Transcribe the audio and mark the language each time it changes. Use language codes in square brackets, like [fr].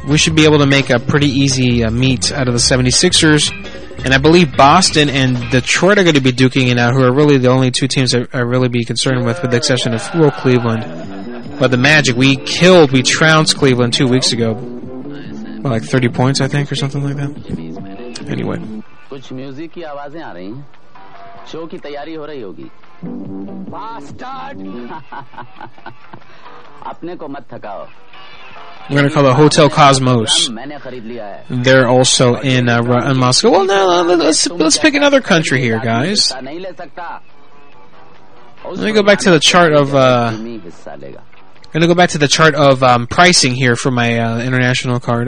[en] We should be able to make a pretty easy meet out of the 76ers. And I believe Boston and Detroit are going to be duking it out, who are really the only two teams I really be concerned with the exception of Cleveland. But the Magic, we trounced Cleveland 2 weeks ago. By like 30 points, I think, or something like that. Anyway. [hi] कुछ music की आवाजें आ रही हैं show की तैयारी हो रही होगी [en] bastard [hi] अपने को मत थकाओ. [en] We're going to call it Hotel Cosmos. They're also in Moscow. Well, now let's pick another country here, guys. Let me go back to the chart of... I'm going to go back to the chart of pricing here for my international card.